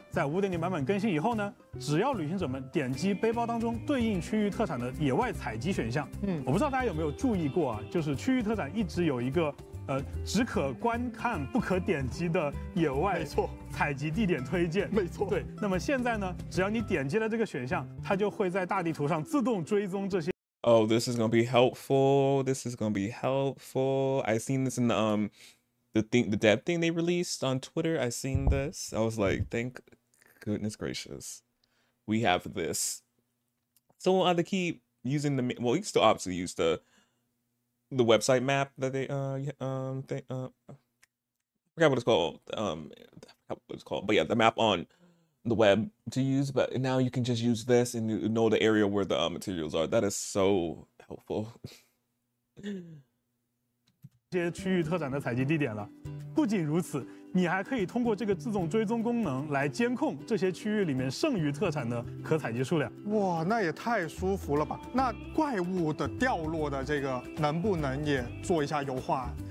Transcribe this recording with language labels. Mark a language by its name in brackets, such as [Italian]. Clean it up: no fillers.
[Chinese] 在 5.0 版本更新以后呢，只要旅行者们点击背包当中对应区域特产的野外采集选项，我不知道大家有没有注意过啊，就是区域特产一直有一个只可观看不可点击的野外采集地点推荐，没错，对。那么现在呢，只要你点击了这个选项，它就会在大地图上自动追踪这些。 [English] Oh, this is gonna be helpful. This is gonna be helpful. I've seen this in the dev thing they released on Twitter. I've seen this. I was like, thank goodness gracious, we have this. So we'll have to keep using the. Well, you can still obviously use the website map that they forgot what it's called, but yeah, the map on the web to use, but now you can just use this and you know the area where the materials are. That is so helpful. [Chinese] 这些区域特产的采集地点了。不仅如此，你还可以通过这个自动追踪功能来监控这些区域里面剩余特产的可采集数量。哇，那也太舒服了吧。那怪物的掉落的这个能不能也做一下优化？